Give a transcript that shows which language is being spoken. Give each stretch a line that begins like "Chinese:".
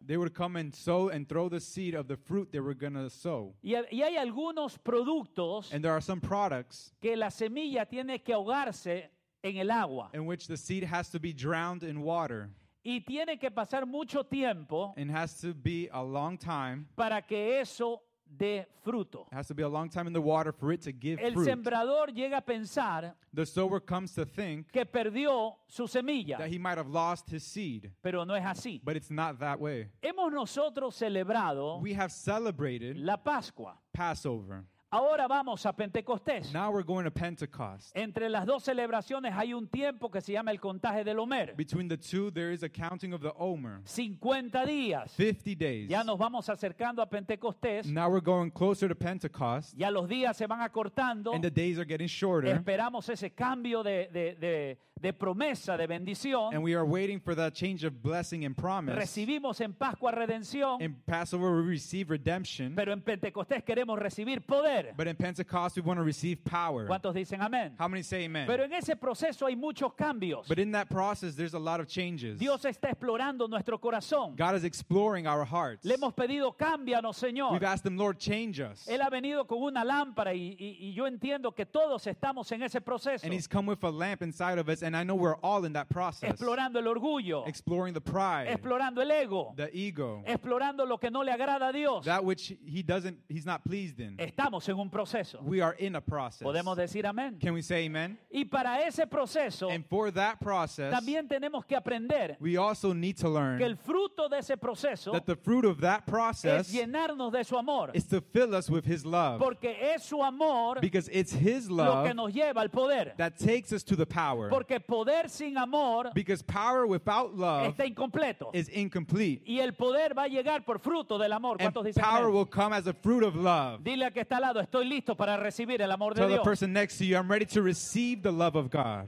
English: They would come and sow and throw the seed of the fruit they were going to sow.
Spanish: Y hay algunos productos.
English: And there are some products.
Spanish: Que la semilla tiene que ahogarse en el agua.
English: In which the seed has to be drowned in water.
Spanish: Y tiene que pasar mucho tiempo.
English: And has to be a long time.
Spanish: Para que eso dé fruto.
English: It has to be a long time in the water for it to give fruit.
Spanish: El sembrador llega a pensar.
English: The sower comes to think.
Spanish: Que perdió su semilla.
English: That he might have lost his seed.
Spanish: Pero no es así.
English: But it's not that way.
Spanish: Hemos nosotros celebrado.
English: We have celebrated.
Spanish: La Pascua.
English: Passover.
Spanish: Ahora vamos a Pentecostés.
English: Now we're going to Pentecost.
Spanish: Entre las dos celebraciones hay un tiempo que se llama el contaje del Omer.
English: Between the two, there is a counting of the Omer.
Spanish: 50 días.
English: 50 days.
Spanish: Ya nos vamos acercando a Pentecostés.
English: Now we're going closer to Pentecost.
Spanish: Ya los días se van acortando.
English: And the days are getting shorter.
Spanish: Esperamos ese cambio de promesa, de bendición.
English: And we are waiting for that change of blessing and promise.
Spanish: Recibimos en Pascua redención.
English: In Passover we receive redemption.
Spanish: Pero en Pentecostés queremos recibir poder.
English: But in Pentecost we want to receive power.
Spanish: ¿Cuántos dicen amén?
English: How many say amen?
Spanish: Pero en ese proceso hay muchos cambios.
English: But in that process there's a lot of changes.
Spanish: Dios está explorando nuestro corazón.
English: God is exploring our hearts.
Spanish: Le hemos pedido, cámbianos, Señor.
English: We've asked him, Lord, change us.
Spanish: Él ha venido con una lámpara y yo entiendo que todos estamos en ese proceso.
English: And he's come with a lamp inside of us. And I know we're all in that process.
Spanish: Explorando el orgullo.
English: Exploring the pride.
Spanish: Explorando el ego.
English: The ego.
Spanish: Explorando lo que no le agrada a Dios.
English: That which he's not pleased in.
Spanish: Estamos en un proceso.
English: We are in a process.
Spanish: Podemos decir amén.
English: Can we say amen?
Spanish: Y para ese proceso.
English: And for that process.
Spanish: También tenemos que aprender.
English: We also need to learn.
Spanish: Que el fruto de ese proceso.
English: That the fruit of that process.
Spanish: Es llenarnos de su amor.
English: Is to fill us with his love.
Spanish: Porque es su amor.
English: Because it's his love.
Spanish: Lo que nos lleva al poder.
English: That takes us to the power.
Spanish: Porque poder sin amor,
English: because power without love,
Spanish: está incompleto,
English: is incomplete.
Spanish: Y el poder va a llegar por fruto del amor.
English: And power will come as a fruit of love.
Spanish: Dile a que está al lado, estoy listo para recibir el amor de Dios.
English: Tell the person next to you, I'm ready to receive the love of God.